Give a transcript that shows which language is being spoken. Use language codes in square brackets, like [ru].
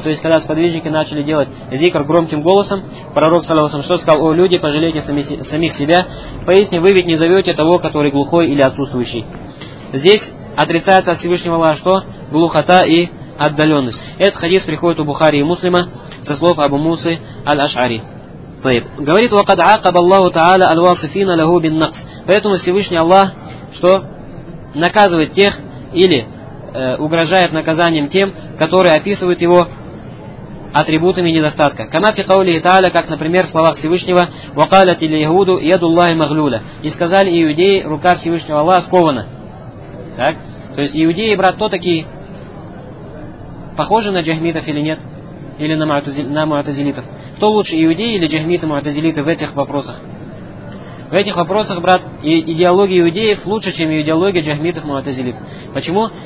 [ru] То есть когда сподвижники начали делать зикр громким голосом, пророк саллаллаху алейхи ва саллям сказал, о люди, пожалейте самих себя, поистине вы ведь не зовете того, который глухой или отсутствующий. Здесь отрицается от Всевышнего Аллаха что? Глухота и отдаленность. Этот хадис приходит у Бухари и Муслима со слов Абу Мусы аль-Аш'ари. Тайб. [ar] Говорит, وَقَدْ عَقَبَ اللَّهُ تَعَالَ الْوَاصِفِينَ لَهُ بِالنَّقْسِ. [ru] Поэтому Всевышний Аллах, что наказывает тех, или угрожает наказанием тем, которые описывают его атрибутами недостатка. [ar] كَمَا فِي قَوْلِهِ تَعَالَ, [ru] как, например, в словах Всевышнего, [ar] وَقَالَتِ الْيَهُودُ يَدُ اللَّهِ مَغْلُولَ. [ru] И сказали иудеи, рука Всевышнего Аллаха скована. Так? То есть иудеи, брат, кто такие? Похожи на джахмитов или нет? Или на муатазилитов? Кто лучше, иудеи или джахмиты, муатазилиты в этих вопросах? В этих вопросах, брат, идеология иудеев лучше, чем идеология джахмитов, муатазилитов. Почему?